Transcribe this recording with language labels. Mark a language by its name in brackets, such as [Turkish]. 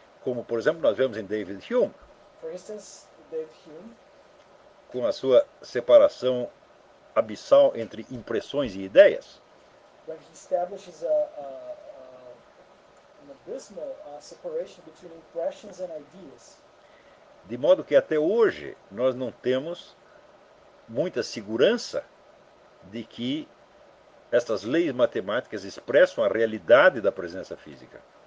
[Portuguese] Como, por exemplo, nós vemos em David Hume. [English] For instance, David Hume. [Portuguese] Com a sua separação abissal entre impressões e ideias. [English] When he establishes an abysmal separation between impressions and ideas. [Portuguese] De modo que até hoje nós não temos muita segurança de que estas leis matemáticas expressam a realidade da presença física.